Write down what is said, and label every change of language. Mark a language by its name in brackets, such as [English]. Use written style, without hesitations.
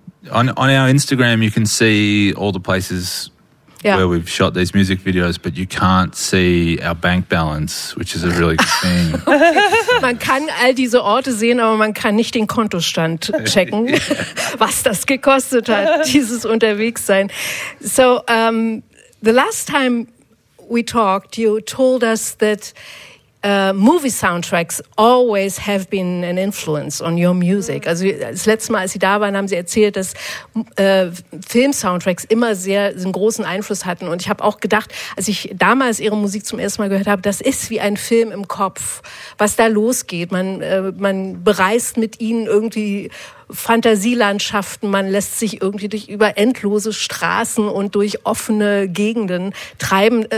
[English] On our Instagram, you can see all the places where we've shot these music videos, but you can't see our bank balance, which is a really good thing. Okay. [German] Man kann all diese Orte sehen, aber man kann nicht den Kontostand checken, was das gekostet hat, dieses Unterwegssein. [English] So, the last time we talked, you told us that movie soundtracks always have been an influence on your music. [German] Also das letzte Mal, als Sie da waren, haben Sie erzählt, dass Film-Soundtracks immer sehr einen großen Einfluss hatten. Und ich habe auch gedacht, als ich damals Ihre Musik zum ersten Mal gehört habe, das ist wie ein Film im Kopf, was da losgeht. Man bereist mit Ihnen irgendwie Fantasielandschaften, man lässt sich irgendwie über endlose Straßen und durch offene Gegenden treiben.